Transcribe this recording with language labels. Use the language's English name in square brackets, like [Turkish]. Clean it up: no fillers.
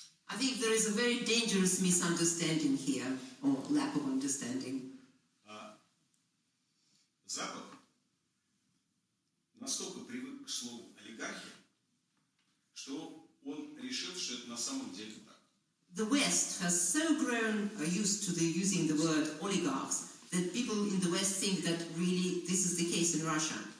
[English] I think there is a very dangerous misunderstanding here, or lack of understanding. [Russian] Запад настолько привык к слову олигархия, что он решил, что это на самом деле так. [English] The West has so grown used to using the word oligarchs that people in the West think that really this is the case in Russia.